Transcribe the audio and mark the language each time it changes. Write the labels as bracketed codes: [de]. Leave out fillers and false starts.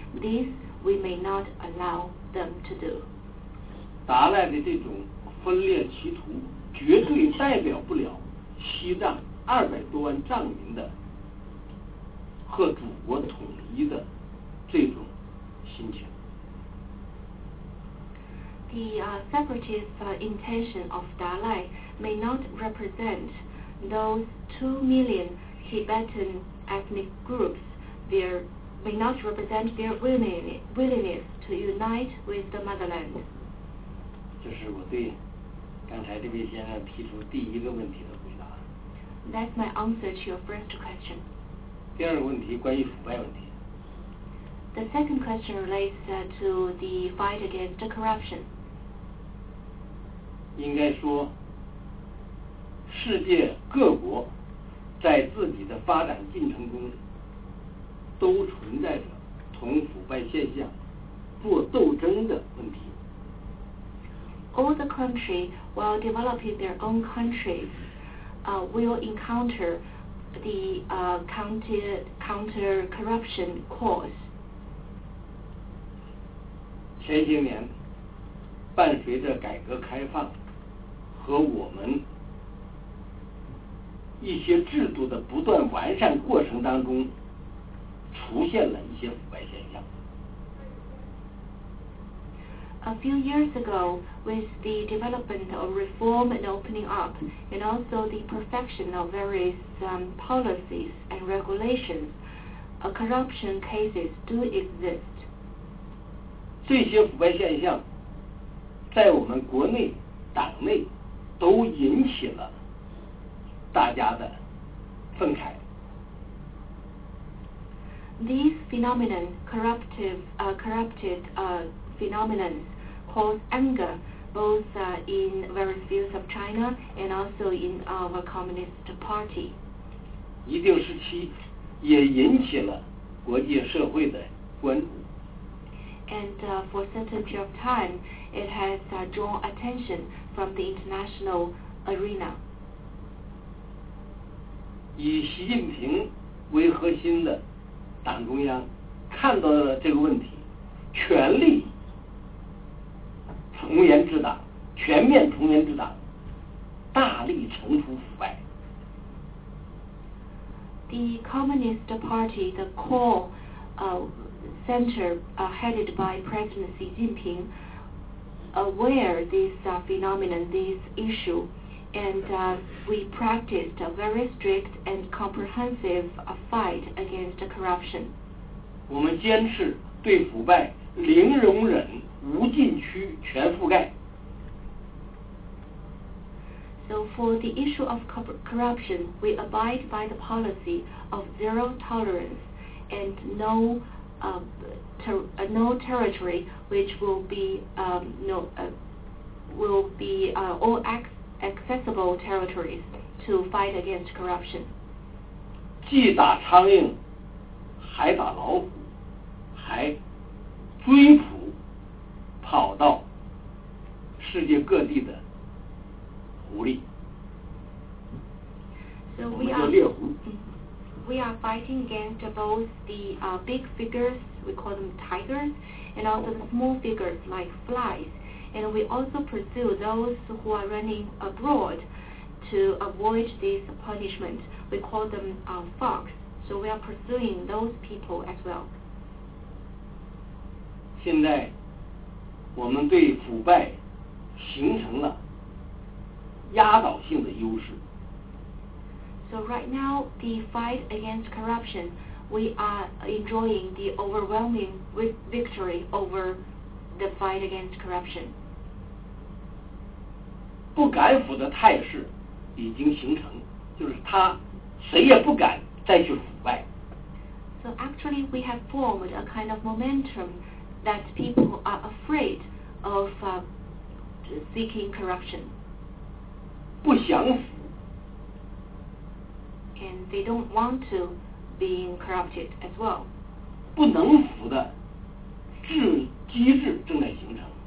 [en] This we may not allow them to do. [zh] 达赖的这种分裂企图绝对代表不了西藏200多万藏民的和祖国统一的这种心情。 [en] The separatist intention of Dalai may not represent those 2 million Tibetan ethnic groups. There may not represent their willingness to unite with the motherland. [zh] 这是我对刚才这位先生提出第一个问题的回答。 [en] That's my answer to your first question. [zh] 第二个问题关于腐败问题。 [en] The second question relates to the fight against corruption. [zh] 应该说世界各国在自己的发展进程中都存在着同腐败现象做斗争的问题。 [en] All the country while developing their own countries will encounter the counter-corruption cause. [zh] 前些年伴随着改革开放和我们一些制度的不断完善过程当中出现了一些腐败现象。 [en] A few years ago, with the development of reform and opening up, and also the perfection of various policies and regulations, corruption cases do exist. [zh] 这些腐败现象在我们国内党内都引起了大家的愤慨。 [en] These phenomena, corrupted phenomena,cause anger both in various views of China and also in our Communist Party. [zh] 一定时期也引起了国际社会的关注。 [en] And for a certain period of time, it has drawn attention from the international arena. [zh] 以习近平为核心的党中央看到了这个问题，全力从严治党，全面从严治党，大力惩处腐败。 [en] The Communist Party, the core center headed by President Xi Jinping, aware this phenomenon, this issue, and we practiced a very strict and comprehensive fight against corruption. [zh] 我们坚持对腐败零容忍。无禁区全覆盖。 [en] So for the issue of corruption, we abide by the policy of zero tolerance and no territory which will be all accessible territories to fight against corruption. [zh] 既打苍蝇，还打老虎，还追捕。跑到世界各地的狐狸，我们叫猎狐。 [en] We are fighting against both the big figures, we call them tigers, and also the small figures like flies. And we also pursue those who are running abroad to avoid this punishment. We call them fox. So we are pursuing those people as well. [zh] 现在我们对腐败形成了压倒性的优势。 [en] So right now, the fight against corruption, we are enjoying the overwhelming victory over the fight against corruption. [zh] 不敢腐的态势已经形成，就是他谁也不敢再去腐败。 [en] So actually, we have formed a kind of momentum that people are afraid. Of seeking corruption. [zh] 不想腐。 [en] And they don't want to be corrupted as well. [zh] 不能腐的机制正在形成。